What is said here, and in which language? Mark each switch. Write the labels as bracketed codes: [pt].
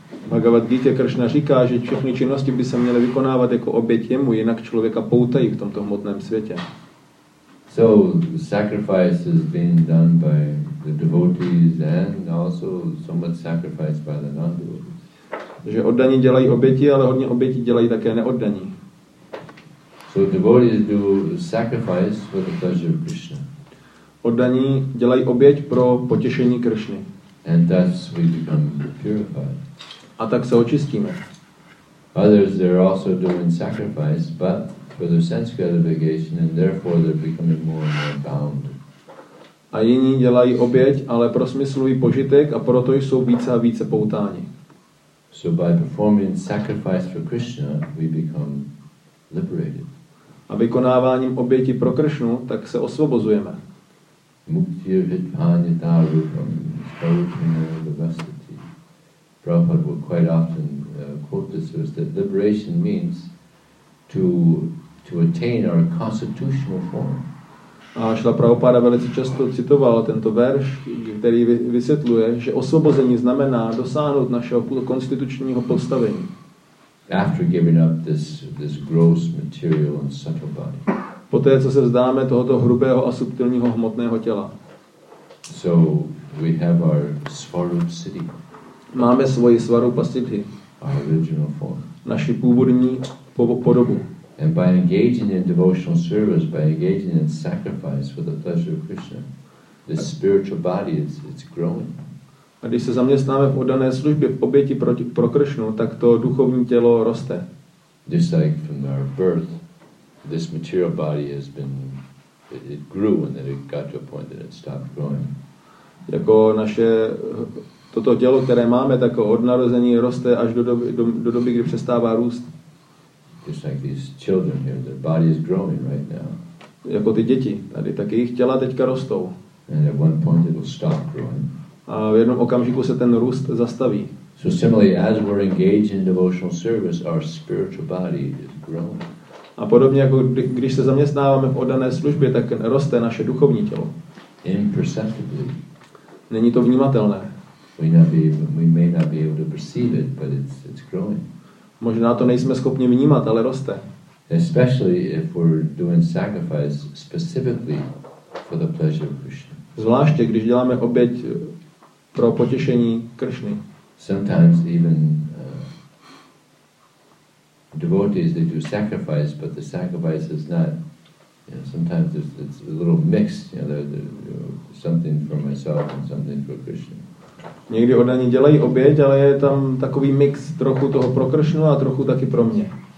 [cs] Bhagavad Gita Krishna říká, že všechny činnosti by se měly vykonávat jako oběť jemu, jinak člověka poutají v tomto hmotném světě. [en] So sacrifice has been done by the devotees and also so much sacrifice by the non-devotees. [cs] Že oddaní dělají oběti, ale hodně obětí dělají také neoddaní. [en] So devotees do sacrifice for the pleasure of Krishna. [cs] Oddaní dělají oběť pro potěšení Krishny. [en] And thus we become purified. [cs] A tak se očistíme. [en] Others they're also doing sacrifice, but for their sense gratification, and therefore they're becoming more and more bound. [cs] A jiní dělají oběť, ale pro smyslový požitek, a proto jsou více a více poutáni. [en] So by performing sacrifice for Krishna, we become liberated. [cs] A vykonáváním oběti pro Kršnu, tak se osvobozujeme. [sa] Muktir Vidhanita Rupam, Svarupino Vivasati. [en] Prabhupada will quite often quote this verse that liberation means to attain our constitutional form. [cs] A Šila Prabhupada velice často citoval tento verš, který vysvětluje, že osvobození znamená dosáhnout našeho konstitučního postavení. [en] After giving up this gross material and subtle body. [cs] Poté, co se vzdáme tohoto hrubého a subtilního hmotného těla. [en] So we have our Svarup Siddhi. [cs] Máme svoji Svarupa Siddhi. [en] Our original form. [cs] Naši původní podobu. [en] And by engaging in devotional service, by engaging in sacrifice for the pleasure of Krishna, this spiritual body is growing. [cs] A když se zaměstnáme v oddané službě, v oběti pro Krishnu, tak to duchovní tělo roste. [en] Just like from our birth, this material body has been, it grew and then it got to a point that it stopped growing. [cs] Jako naše toto tělo, které máme, tak od narození roste až do doby, kdy přestává růst. [en] Just like these children here, their body is growing right now. [cs] Jako ty děti tady, tak jejich těla teďka rostou. [en] And at one point it will stop growing. [cs] A v jednom okamžiku se ten růst zastaví. [en] So similarly, as we're engaged in devotional service, our spiritual body is growing. [cs] A podobně jako když se zaměstnáváme v oddané službě, tak roste naše duchovní tělo. [en] Imperceptibly. [cs] Není to vnímatelné. [en] We may not be able to perceive it, but it's growing. [cs] Možná to nejsme schopni vnímat, ale roste. [en] Especially if we're doing sacrifice specifically for the pleasure of Krishna. [cs] Zvláště když děláme oběť pro potěšení Krishny. [en] Sometimes even devotees they do sacrifice, but the sacrifice is not. You know, sometimes it's a little mixed. You know, something for myself and something for Krishna. [cs] Někdy oddaní dělají oběť, ale je tam takový mix trochu toho pro Krishnu a trochu taky pro mě.